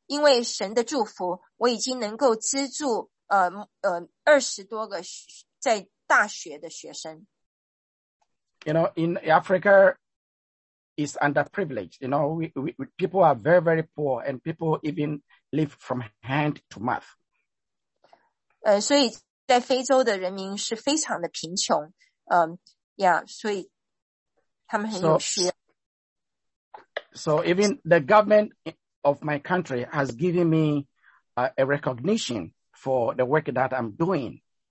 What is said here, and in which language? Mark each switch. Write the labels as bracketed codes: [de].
[zh] 所以因为神的祝福，我已经能够资助 20多个在大学的学生。 [en] You know, in Africa, it's underprivileged. You know, people are very, very poor, and people even live from hand to mouth. [zh] 所以在非洲的人民是非常的贫穷 所以他们很有需要。 [en] So even the government of my country has given me a recognition for the work that I'm doing.